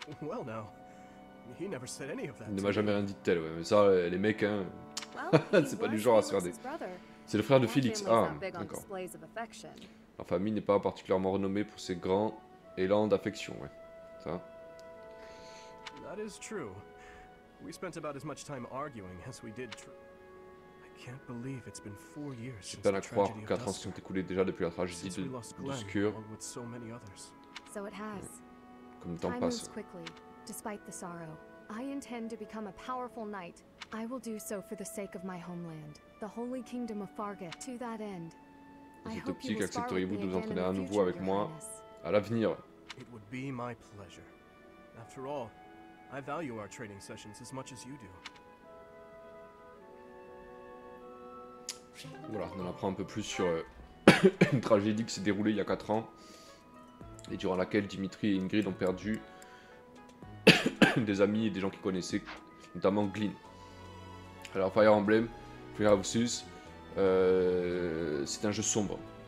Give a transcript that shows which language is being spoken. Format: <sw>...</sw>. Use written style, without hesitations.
<en>Well, no. He never said any of that.</en> <fr>Il ne m'a jamais rien dit de tel, ouais. Mais ça, les mecs, hein. C'est pas du genre à se faire des... C'est le frère de Félix. Ah, d'accord. La famille n'est pas particulièrement renommée pour ses grands élans d'affection, ouais. Ça.</fr> <en>That is true. We spent about as much time arguing as we did. I can't believe it's been 4 years since the tragedy.</en> <fr>Croire, 4 ans sont écoulés déjà depuis la tragédie de Dusker.</fr> <en>So many others. So it has.</en> <fr>Comme le temps passe.</fr> <en>Despite the sorrow, I intend to become a powerful knight. I will do so for the sake of my homeland, the holy kingdom of Farget. To that end, I hope you will spar with me</en> <fr>de vous entraîner à nouveau avec moi à l'avenir.</fr> <en>It would be my pleasure. After all, I value our training sessions as much as you do.</en> <fr>Voilà, on en apprend un peu plus sur une tragédie qui s'est déroulée il y a 4 ans et durant laquelle Dimitri et Ingrid ont perdu des amis et des gens qu'ils connaissaient, notamment Glynn. Alors Fire Emblem, Three Houses, c'est un jeu sombre.</fr>